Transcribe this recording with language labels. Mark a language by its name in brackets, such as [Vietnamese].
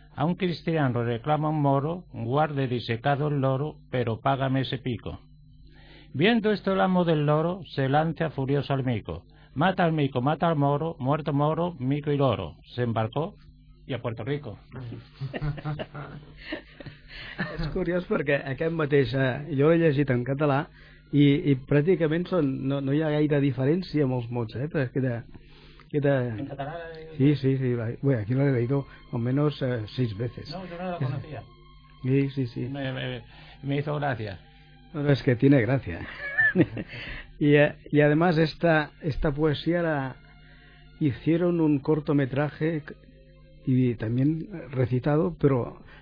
[Spanish] A un cristiano reclama un moro, guarde disecado el loro, pero págame ese pico. Viendo esto el amo del loro, se lanza furioso al mico. Mata al mico, mata al moro, muerto moro, mico y loro. Se embarcó y a Puerto Rico. [Catalan] És curiós perquè aquest mateix, jo l'he llegit en català i pràcticament són, no hi ha gaire diferència amb els mots, eh? Perquè queda... En català? Sí. [Spanish] Bueno, aquí l'he leído almenys 6 veces. No, yo no la conocía. Sí. Me hizo gracia. No, es que tiene gracia. Y además esta poesía la hicieron un cortometraje y también recitado, pero...